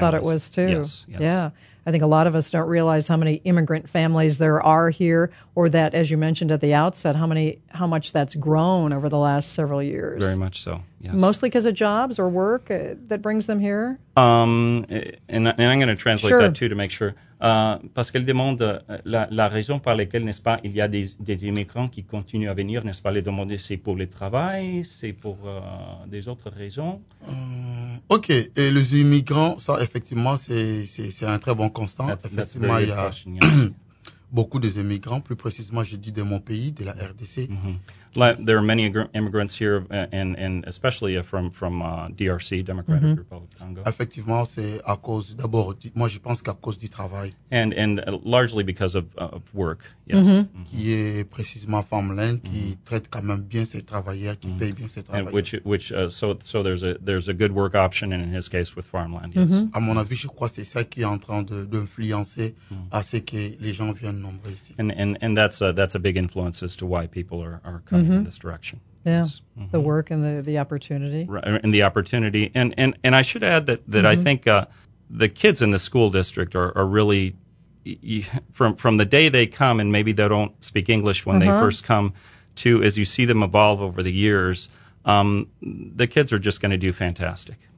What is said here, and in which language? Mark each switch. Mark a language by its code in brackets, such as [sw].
[en] Thought it was too. Yes, yes. Yeah. I think a lot of us don't realize how many immigrant families there are here or that, as you mentioned at the outset, how much that's grown over the last several years. Very much so, yes. Mostly because of jobs or work that brings them here? And I'm going to translate sure. that too to make sure. [fr] Parce qu'elle demande, la raison par laquelle, n'est-ce pas, il y a des immigrants qui continuent à venir, n'est-ce pas, les demander, c'est pour le travail, c'est pour des autres raisons? [en] OK. [fr] Et les immigrants, ça, effectivement, c'est un très bon constat. Effectivement, il y a [en] question, yeah. [fr] beaucoup des immigrants, plus précisément, je dis de mon pays, de la RDC. Mm-hmm. [en] There are many immigrants here, and especially from DRC, Democratic mm-hmm. Republic of Congo. [fr] Effectivement, c'est à cause, d'abord, moi, je pense qu'à cause du travail. [en] And largely because of work, yes. Mm-hmm. Mm-hmm. [fr] Qui est précisément Farmland, mm-hmm. qui traite quand même bien ses travailleurs, qui mm-hmm. paye bien ses travailleurs. [en] And which so there's a good work option, and in his case, with Farmland, yes. [fr] Mm-hmm. À mon avis, je crois que c'est ça qui est en train d'influencer mm-hmm. à ce que les gens viennent nombreux ici. [en] And that's a big influence as to why people are coming. Mm-hmm. In this direction. Yeah, yes. mm-hmm. the work and the opportunity. Right, and the opportunity. And I should add that mm-hmm. I think the kids in the school district are really, from the day they come, and maybe they don't speak English when uh-huh. they first come, to as you see them evolve over the years, the kids are just going to do fantastic.